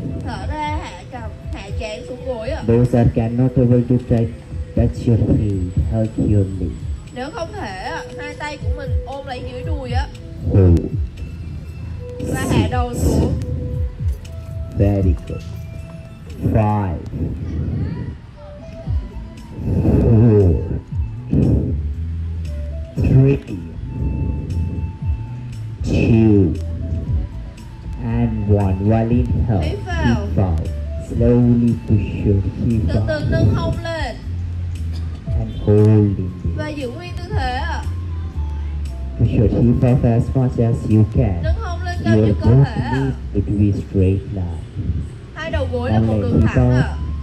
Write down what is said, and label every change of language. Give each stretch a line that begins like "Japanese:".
Vietnamese: Thở ra hạ cằm, hạ trán xuống gối ạ.
English: Those that cannot able to try, touch your feet, hug your knee.
Vietnamese: Nếu không thể, hai tay của mình ôm lấy dưới đùi á.
English: Four.
Vietnamese: Và hạ đầu xuống.
English: Very good. Five. Four. Three. Two. And one. While inhale, hit five. slowly push your hip
Vietnamese: từ từ nâng hông lên
English: and hold it
Vietnamese: và giữ nguyên tư thế ạ.
English: Push your hip up as much as you can.
Vietnamese: Nâng hông lên cao như có thể.
English: Your both knees to be straight line.
Vietnamese: Hai đầu gối là một đường thẳng ạ.